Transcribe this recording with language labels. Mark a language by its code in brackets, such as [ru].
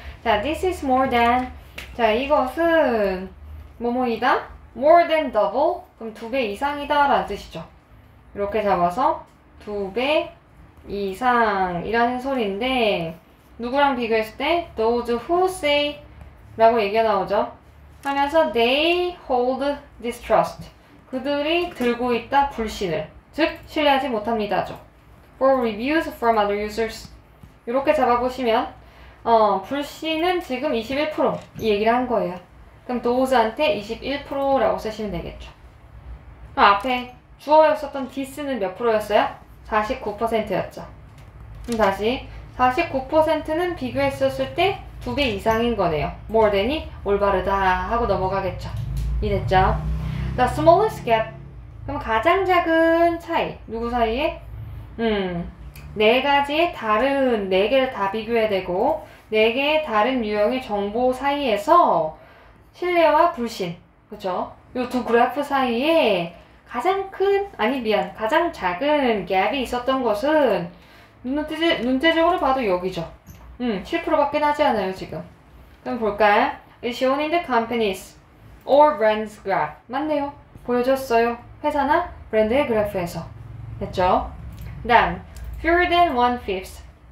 [ko] 자, [en] this is more than. [ko] 자, 이것은 뭐뭐이다? [en] more than double. [ko] 그럼 두 배 이상이다 라는 뜻이죠. 이렇게 잡아서 두 배 이상이라는 소리인데 누구랑 비교했을 때 [en] those who say [ko] 라고 얘기가 나오죠. 하면서 [en] they hold distrust. [ko] 그들이 들고 있다 불신을. 즉 신뢰하지 못합니다죠. [en] For reviews from other users. [ko] 이렇게 잡아보시면 불신은 지금 21% 이 얘기를 한 거예요. 그럼 those한테 21%라고 쓰시면 되겠죠. 그럼 앞에 주어였었던 this는 몇 프로였어요? 49%였죠. 그럼 다시 49%는 비교했었을 때 두 배 이상인 거네요. more than이 올바르다 하고 넘어가겠죠. 이랬죠. [en] The smallest gap. [ko] 그럼 가장 작은 차이. 누구 사이에? 네 가지의 다른, 네 개를 다 비교해야 되고, 네 개의 다른 유형의 정보 사이에서 신뢰와 불신. 그쵸? 요 두 그래프 사이에 가장 작은 gap이 있었던 것은 눈대적으로 봐도 여기죠. 7%밖에 나지 않아요, 지금. 그럼 볼까요? [en] It's shown in the companies. or brand's graph. [ko] 맞네요. 보여줬어요. 회사나 브랜드의 그래프에서. 됐죠? [en] 다음, fewer than one-fifth.